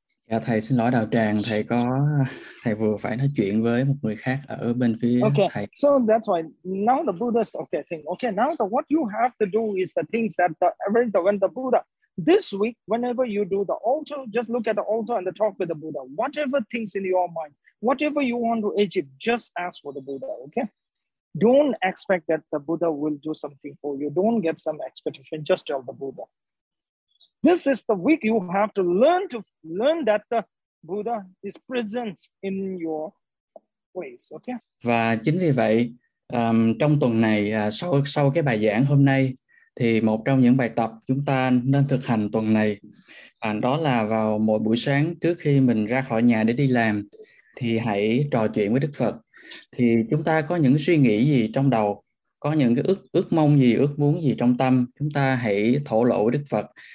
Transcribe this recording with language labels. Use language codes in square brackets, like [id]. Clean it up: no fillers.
[vi] Dạ thầy xin lỗi đạo tràng, thầy vừa phải nói chuyện với một người khác ở bên phía [en] okay. [vi] thầy. [en] So that's why now the Buddha's okay thing. Okay, now the what you have to do is the things that when the Buddha this week, whenever you do the altar, just look at the altar and the talk with the Buddha. Whatever things in your mind, whatever you want to achieve, just ask for the Buddha. Okay, don't expect that the Buddha will do something for you. Don't get some expectation. Just tell the Buddha. This is the week you have to learn that the Buddha is present in your place. Okay. [vi] Và chính vì vậy, trong tuần này sau cái bài giảng hôm nay, thì một trong những bài tập chúng ta nên thực hành tuần này đó là vào mỗi buổi sáng trước khi mình ra khỏi nhà để đi làm thì hãy trò chuyện với Đức Phật. Thì chúng ta có những suy nghĩ gì trong đầu, có những cái ước mong gì, ước muốn gì trong tâm, chúng ta hãy thổ lộ với Đức Phật.